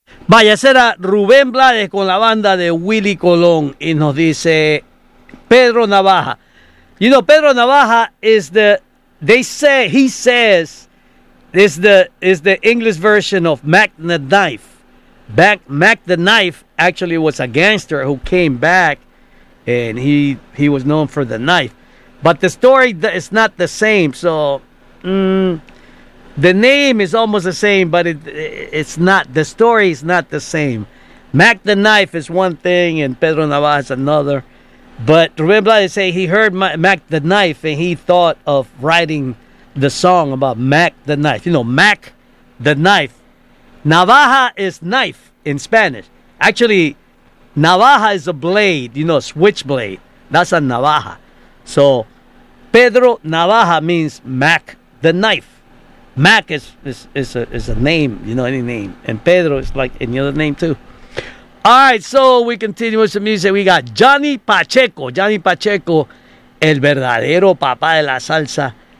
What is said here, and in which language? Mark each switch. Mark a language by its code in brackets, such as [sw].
[es] Vaya, será Rubén Blades con la banda de Willy Colón. Y nos dice Pedro Navaja. [en] You know, Pedro Navaja is the, they say, he says, is the English version of Mack the Knife. Mack the Knife actually was a gangster who came back, and he was known for the knife. But the story is not the same, so the name is almost the same, but it's not, the story is not the same. Mack the Knife is one thing, and Pedro Navaja is another. But Rubén Blades say he heard Mack the Knife and he thought of writing the song about Mack the Knife. You know, Mack the Knife. Navaja is knife in Spanish. Actually, Navaja is a blade, you know, switchblade. That's a Navaja. So, Pedro Navaja means Mack the Knife. Mack is a name, you know, any name. And Pedro is like any other name too. All right, so we continue with some music. We got Johnny Pacheco. [es] Johnny Pacheco, el verdadero papá de la salsa.